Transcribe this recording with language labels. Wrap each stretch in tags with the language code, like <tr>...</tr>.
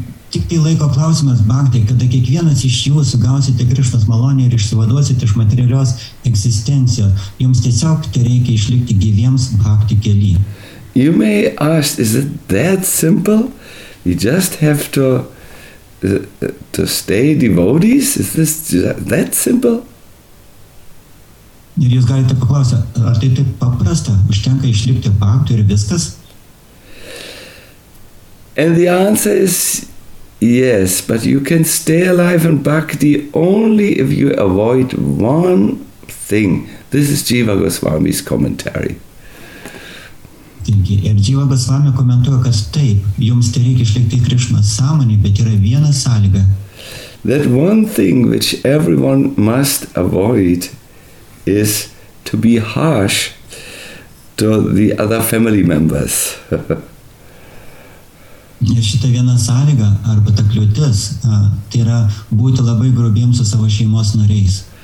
<lt>Tik tai laiko klausimas, Bhakti, kada kiekvienas iš jūsų gausite Krišnos malonę ir išsivaduosite iš materialios egzistencijos, jums tiesiog tai reikia išlikti gyviems Bhakti kely.</lt> <en>You may ask, is it that simple? You just have to stay devotees? Is this that simple?</en> <lt>Ir jūs galite paklausti, ar tai taip paprasta, užtenka išlikti Bhakti ir viskas?</lt> <en>And the answer is yes, but you can stay alive in bhakti only if you avoid one thing. This is Jiva Goswami's commentary.</en> <lt>Ir Jiva Goswami komentuoja, kad taip, jums tai reikia išlikti Krišnos sąmonį, bet yra viena sąlyga.</lt> <en>That one thing which everyone must avoid is to be harsh to the other family members.</en> <lt>Ir šita viena sąlyga, arba ta kliūtis, tai yra būti labai grubiems su savo šeimos nariais.</lt>